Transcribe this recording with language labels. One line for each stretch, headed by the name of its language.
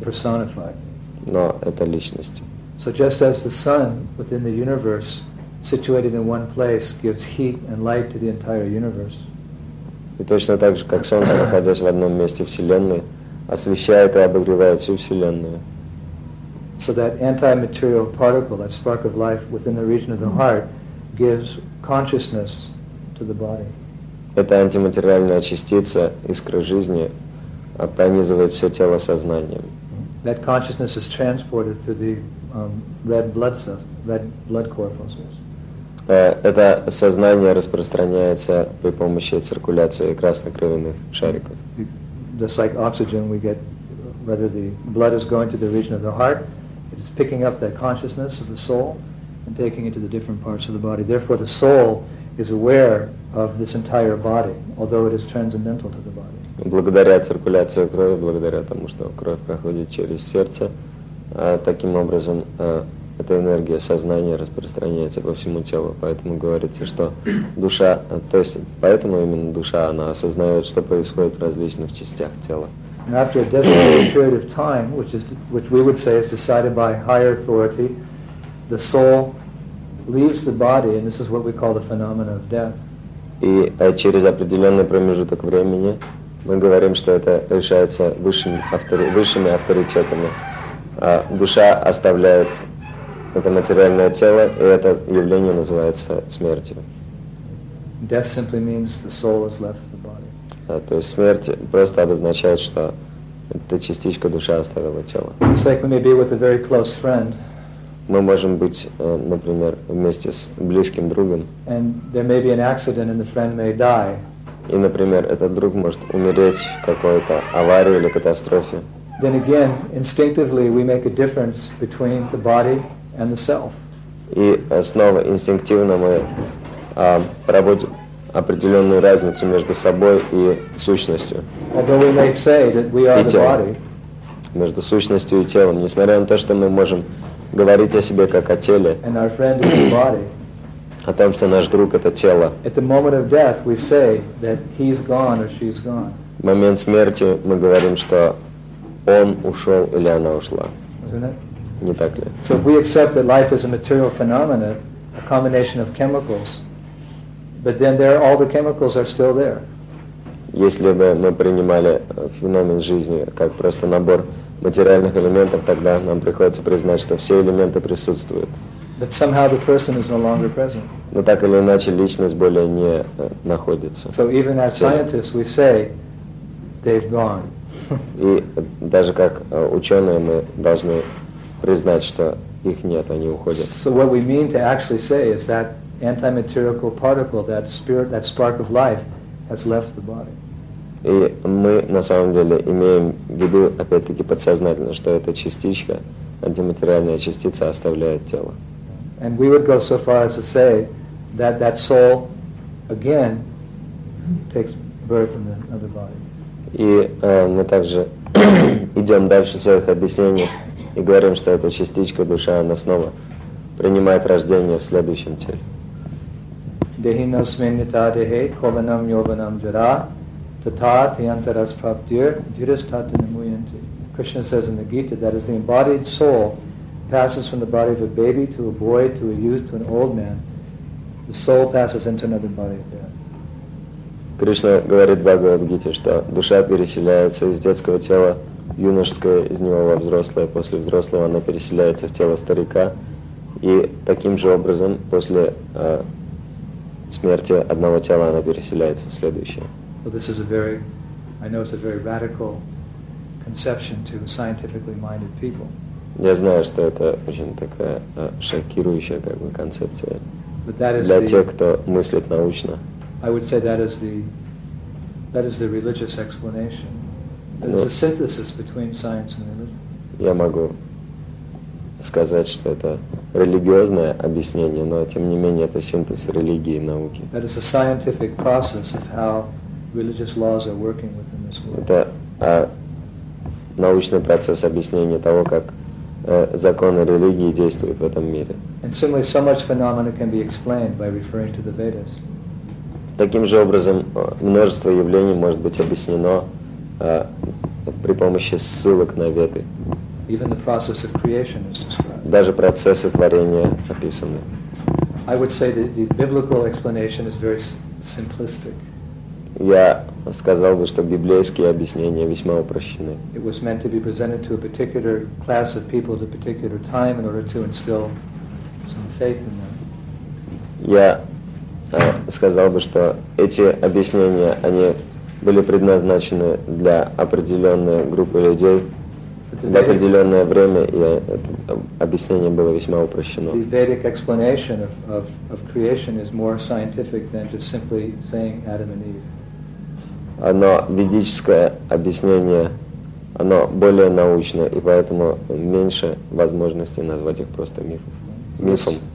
English: But personified.
Russian: Но это личности.
English: So just as the sun within the universe, situated in one place, gives heat and light to the entire universe.
Russian: И точно так же, как солнце, находясь в одном месте вселенной, освещает и обогревает всю вселенную.
English: So that anti-material particle, that spark of life within the region of the heart, gives consciousness to the body.
Russian: Эта антиматериальная частица, искра жизни, пронизывает все тело сознанием.
English: That consciousness is transported through the red blood corpuscles.
Russian: Это сознание распространяется при помощи циркуляции краснокровяных шариков.
English: Just like oxygen, we get whether the blood is going to the region of the heart. It's picking up that consciousness of the soul and taking it to the different parts of the body. Therefore, the soul is aware of this entire body, although it is transcendental to the body.
Russian: Благодаря циркуляции крови, благодаря тому, что кровь проходит через сердце, таким образом эта энергия сознания распространяется по всему телу. Поэтому говорится, что душа, то есть поэтому именно душа, она осознает, что происходит в различных частях тела.
English: And after a designated period of time, which we would say is decided by higher authority, the soul leaves the body, and this is what we call the phenomenon of death.
Russian: И через определенный промежуток времени мы говорим, что это решается высшими авторитетами. Душа оставляет это материальное тело, и это явление называется смертью.
English: Death simply means the soul is left.
Russian: То есть смерть просто обозначает, что эта частичка души оставила тело.
English: It's like we may be with a very close friend.
Russian: Мы можем быть, например, вместе с близким другом.
English: And there may be an accident and the friend may die.
Russian: И, например, этот друг может умереть в какой-то аварии или катастрофе.
English: Then again, instinctively we make a difference between the body and the self.
Russian: И снова инстинктивно мы проводим определенную разницу между собой и сущностью.
English: Although we may say that we are the body,
Russian: между сущностью и телом, несмотря на то, что мы можем говорить о себе как о теле,
English: and our friend is the body,
Russian: о том, что наш друг — это тело.
English: At the moment of death, we say that he's gone or she's gone.
Russian: В момент смерти мы говорим, что он ушел или она ушла. Не так ли?
English: So if we accept that life is a material phenomenon, a combination of chemicals, but then there, all the chemicals are still there.
Russian: Если бы мы принимали феномен жизни как просто набор материальных элементов, тогда нам приходится признать, что все элементы присутствуют.
English: But somehow the person is no longer present.
Russian: Но так или иначе личность более не находится.
English: So even as scientists, we say they've gone.
Russian: И даже как ученые мы должны признать, что их нет, они уходят.
English: So what we mean to actually say is that antimaterial particle, that spirit, that spark of life, has left the body.
Russian: И мы на самом деле имеем в виду, опять-таки, подсознательно, что эта частичка, антиматериальная частица, оставляет тело.
English: And we would go so far as to say that that soul again takes birth in another body.
Russian: И мы также идем дальше в своих объяснениях и говорим, что эта частичка душа, она снова принимает рождение в следующем теле.
Sanskrit: Dehino smenita dehe kovanam yovanam jara tata tiantaras prabdir dhirastata namuyanti.
English: Krishna says in the Gita, that is, the embodied soul passes from the body of a baby to a boy to a youth to an old man. The soul passes into another body of death.
Russian: Кришна говорит в Бхагавад-гите, что душа переселяется из детского тела, юношеское из него во взрослое, после взрослого она переселяется в тело старика, и таким же образом после смерти одного тела она переселяется в следующее.
English: Well, this is a very, I know it's a very radical conception to scientifically minded people.
Russian: Я знаю, что это очень такая шокирующая как бы концепция.
English: But that is
Russian: для
English: the...
Russian: тех, кто мыслит научно.
English: I would say that is the religious explanation. It's the synthesis between science and religion.
Russian: Я могу сказать, что это религиозное объяснение, но тем не менее это синтез религии и науки.
English: That is a scientific process of how religious laws are working within this world.
Russian: Это научный процесс объяснения того, как законы религии действуют в этом мире.
English: And similarly, so much phenomena can be explained by referring to the Vedas.
Russian: Таким же образом, множество явлений может быть объяснено при помощи ссылок на Веды.
English: Even the process of creation is described.
Russian: Даже процессы творения описаны.
English: I would say that the biblical explanation is very simplistic.
Russian: Я сказал бы, что библейские объяснения весьма упрощены.
English: It was meant to be presented to a particular class of people at a particular time in order to instill some faith in them.
Russian: Сказал бы, что эти объяснения, они были предназначены для определенной группы людей в определенное время, и это объяснение было весьма упрощено.
English: The Vedic explanation of creation is more scientific than just simply saying Adam and Eve.
Russian: Но ведическое объяснение, оно более научное, и поэтому меньше возможности назвать их просто мифом.